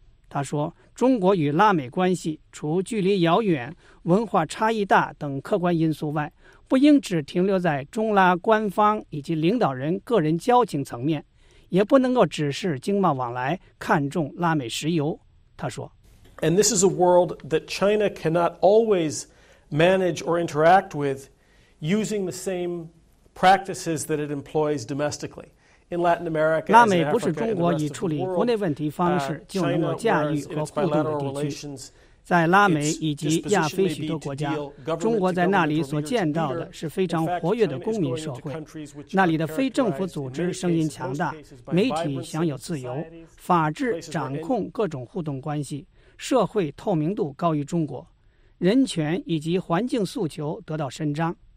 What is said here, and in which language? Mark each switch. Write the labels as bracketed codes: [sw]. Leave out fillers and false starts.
[zh] 他说，中国与拉美关系除距离遥远、文化差异大等客观因素外，不应只停留在中拉官方以及领导人个人交情层面，也不能够只是经贸往来，看重拉美石油。他说 [en] And this is a world that China cannot always manage or interact with using the same practices that it employs domestically. [zh] 拉美不是中国以处理国内问题方式就能够驾驭和互动的地区。在拉美以及亚非许多国家，中国在那里所见到的是非常活跃的公民社会，那里的非政府组织声音强大，媒体享有自由，法治掌控各种互动关系，社会透明度高于中国，人权以及环境诉求得到伸张。